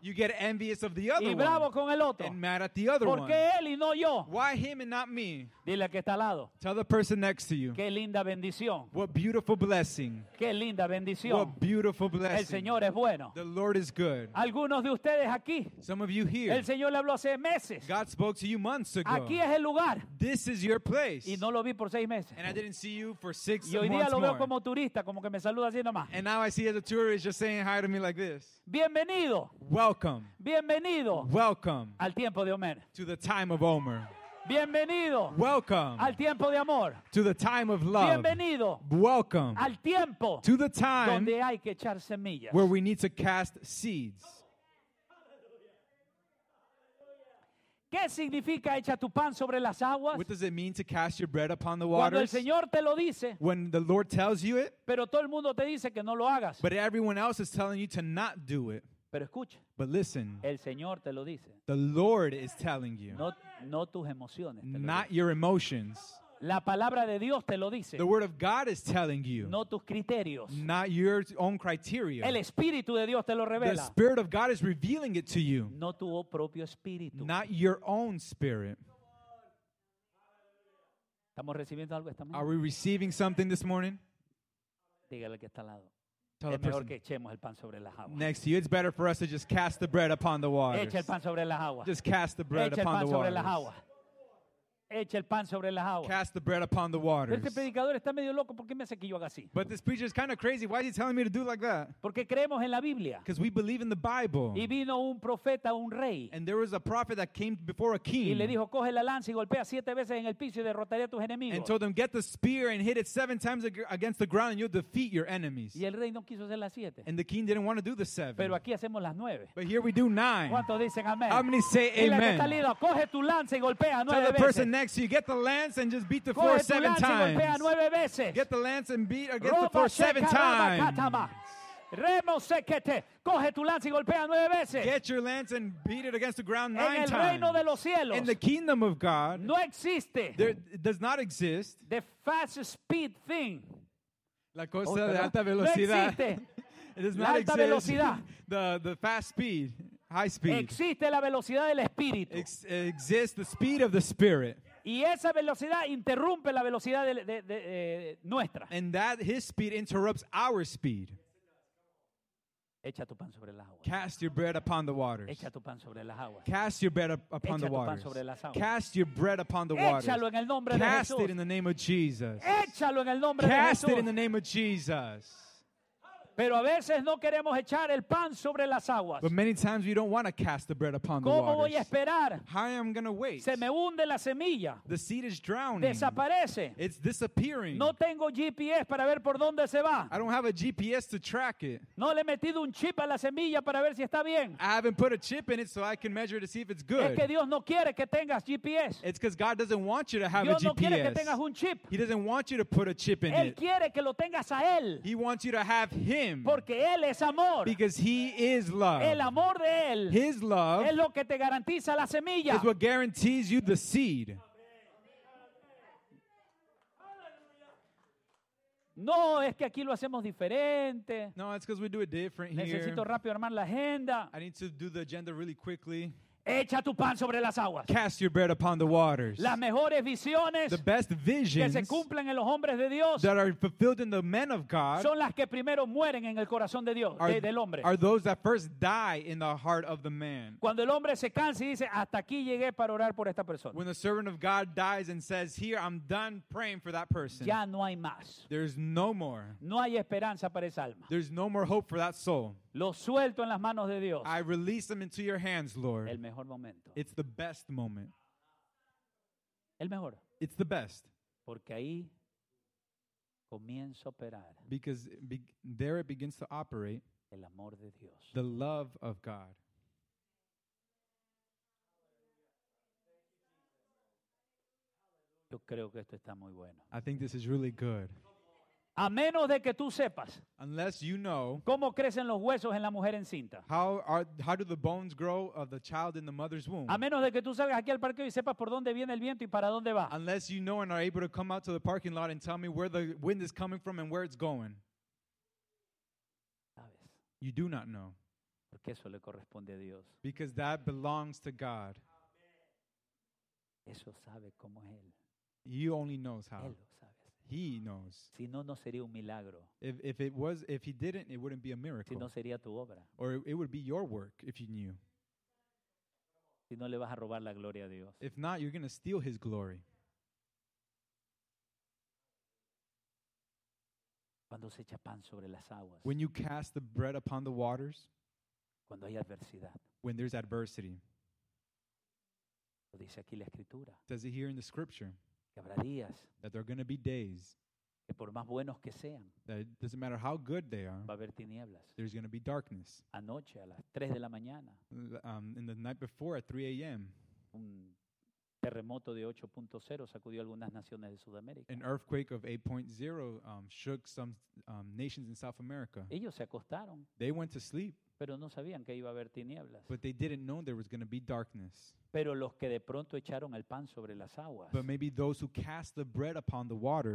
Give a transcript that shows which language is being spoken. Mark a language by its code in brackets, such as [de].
[en] You get envious of the other [es] y bravo [en] one. [es] Con el otro. [en] And mad at the other [es] ¿por qué [en] one. [es] Él y no yo? [en] Why him and not me? [es] Dile al que está al lado. [en] Tell the person next to you. [es] Qué linda bendición. [en] What beautiful blessing. [es] Qué linda bendición. [en] What beautiful blessing. [es] El Señor es bueno. [en] The Lord is good. [es] Algunos de ustedes aquí. [en] Some of you here. [es] El Señor le habló hace meses. [en] God spoke to you months ago. [es] Aquí es el lugar. [en] This is your place. [es] Y no lo vi por seis meses. [en] And I didn't see you for six months. [es] Y hoy día lo veo [en] more. [es] Como turista, como que me saluda así nomás. [en] And now I see as a tourist just saying hi to me like this. [es] Bienvenido. [en] Welcome. [es] Bienvenido. [en] Welcome. [es] Al tiempo de Omer. [en] To the time of Omer. [es] Bienvenido. [en] Welcome. [es] Al tiempo de amor. [en] To the time of love. [es] Bienvenido. [en] Welcome. [es] Al tiempo. [en] To the time. [es] Donde hay que echar semillas. [en] Where we need to cast seeds. [es] ¿Qué significa echa tu pan sobre las aguas? [en] What does it mean to cast your bread upon the waters? [es] Cuando el Señor te lo dice. [en] When the Lord tells you it. [es] Pero todo el mundo te dice que no lo hagas. [en] But everyone else is telling you to not do it. [es] Pero escucha. [en] But listen. [es] El Señor te lo dice. [en] The Lord is telling you. [es] No tus emociones. [en] Not your emotions. [es] La palabra de Dios te lo dice. [en] The word of God is telling you. [es] No tus criterios. [en] Not your own criteria. [es] El Espíritu de Dios te lo revela. [en] The Spirit of God is revealing it to you. [es] No tu propio espíritu. [en] Not your own spirit. [es] ¿Estamos recibiendo algo esta mañana? [en] Are we receiving something this morning? [es] Dígale que está al lado. Es mejor que echemos el pan sobre las aguas. [en] Next to you, it's better for us to just cast the bread upon the waters. [es] Echa el pan sobre las aguas. [en] Just cast the bread upon the waters. [es] Echa el pan sobre las aguas. Echa el pan sobre las aguas. [en] Cast the bread upon the waters. [es] Este predicador está medio loco, ¿por qué me hace que yo haga así? [en] But this preacher is kind of crazy. Why is he telling me to do like that? [es] Porque creemos en la Biblia. [en] Because we believe in the Bible. [es] Y vino un profeta, un rey. [en] And there was a prophet that came before a king. [es] Y le dijo, coge la lanza y golpea 7 veces en el piso y derrotaría a tus enemigos. [en] And told him, get the spear and hit it 7 times against the ground and you'll defeat your enemies. [es] Y el rey no quiso hacer las 7. [en] And the king didn't want to do the 7. [es] Pero aquí hacemos las 9. [en] But here we do 9. [es] ¿Cuántos dicen amén? [en] How many say [es] y [en] amen? [es] Y le dijo, coge tu lanza y golpea 9 [en] tell [es] veces. [en] The person next, so you get the lance and just beat the four 7 times. Get the lance and beat against the four 7 times. Remo sequete. [es] Coge tu lance y golpea 9 veces. [en] Get your lance and beat it against the ground 9 times. [es] En el reino de los cielos. [en] In the kingdom of God. [es] No existe. [en] There does not exist. The fast speed thing. [es] La cosa de alta velocidad. [en] It does not exist. [es] Alta velocidad. [en] The fast speed. High speed. [es] Existe la velocidad del espíritu. [en] Exists the speed of the spirit. [es] Y esa velocidad interrumpe la velocidad de nuestra. [en] And that his speed interrupts our speed. [es] Echa tu pan sobre las aguas. [en] Cast your bread upon the waters. [es] Echa tu pan sobre las aguas. [en] Cast your bread upon [es] echa [en] the waters. [es] Tu pan sobre las aguas. [en] Cast your bread upon the [es] échalo [en] waters. [es] Échalo en el nombre [en] cast [es] de Jesús. [en] Cast it in the name of Jesus. [es] Échalo en el nombre [en] cast [es] de Jesús. [en] Cast it in the name of Jesus. [es] Pero a veces no queremos echar el pan sobre las aguas. [en] But many times we don't want to cast the bread upon the [es] ¿cómo [en] waters? [es] Voy a esperar? [en] How am I going to wait? [es] Se me hunde la semilla. [en] The seed is drowning. [es] Desaparece. [en] It's disappearing. [es] No tengo GPS para ver por dónde se va. [en] I don't have a GPS to track it. [es] No le he metido un chip a la semilla para ver si está bien. [en] I haven't put a chip in it so I can measure to see if it's good. [es] Es que Dios no quiere que tengas GPS. [en] It's because God doesn't want you to have [es] Dios [en] a GPS. [es] Dios no quiere que tengas un chip. [en] He doesn't want you to put a chip in [es] él [en] it. [es] Él quiere que lo tengas a él. [en] He wants you to have him. [es] Porque él es amor. [en] Because he is love. [es] El amor de él. [en] His love. [es] Es lo que te garantiza la semilla. [en] Is what guarantees you the seed. [es] No, es que aquí lo hacemos diferente. [en] No, it's because we do it different here. [es] Necesito rápido armar la agenda. [en] I need to do the agenda really quickly. [es] Echa tu pan sobre las aguas. [en] Cast your bread upon the waters. [es] Las mejores visiones, [en] the best visions, [es] que se cumplen en los hombres de Dios, [en] that are fulfilled in the men of God, [es] son las que primero mueren en el corazón de Dios, del hombre. [en] Are those that first die in the heart of the man. [es] Cuando el hombre se cansa y dice, hasta aquí llegué para orar por esta persona. [en] When the servant of God dies and says, here I'm done praying for that person. [es] Ya no hay más. [en] There's no more. [es] No hay esperanza para esa alma. [en] There's no more hope for that soul. [es] Lo suelto en las manos de Dios. [en] I release them into your hands, Lord. [es] El mejor momento. [en] It's the best moment. [es] El mejor. [en] It's the best. [es] Porque ahí comienza a operar. [en] Because there it begins to operate. [es] El amor de Dios. [en] The love of God. [es] Yo creo que esto está muy bueno. [en] I think this is really good. [es] A menos de que tú sepas, [en] unless you know, [es] cómo crecen los huesos en la mujer encinta. [en] How do the bones grow of the child in the mother's womb? [es] A menos de que tú salgas aquí al parque y sepas por dónde viene el viento y para dónde va. [en] Unless you know and are able to come out to the parking lot and tell me where the wind is coming from and where it's going. [es] ¿Sabes? [en] You do not know. [es] Porque eso le corresponde a Dios. [en] Because that belongs to God. [es] Amen. Eso sabe cómo es él. [en] He only knows how. [es] Él lo sabe. [en] He knows. [es] Si no, no sería un milagro. [en] If it was, if he didn't, it wouldn't be a miracle. [es] Si no, sería tu obra. [en] Or it would be your work if you knew. [es] Si no, le vas a robar la gloria a Dios. [en] If not, you're going to steal his glory. [es] Cuando se echa pan sobre las aguas. [en] When you cast the bread upon the waters. [es] Cuando hay adversidad. [en] When there's adversity. [es] Lo dice aquí la escritura. [en] Does it here in the scripture? [es] Que habrá días, [en] that there are going to be days, [es] que por más buenos que sean, [en] that it doesn't matter how good they are, [es] va a haber tinieblas. [en] There's going to be darkness. [es] Anoche a las 3 de la mañana, [en] in the night before at 3 a.m., [es] un terremoto de 8.0 sacudió algunas naciones de Sudamérica. [en] An earthquake of 8.0 shook some nations in South America. [es] Ellos se acostaron, [en] they went to sleep, [es] pero no sabían que iba a haber tinieblas. [en] But they didn't know there was going to be darkness. [es] Pero los que de pronto echaron el pan sobre las aguas. [en] But maybe those who cast the bread upon the waters.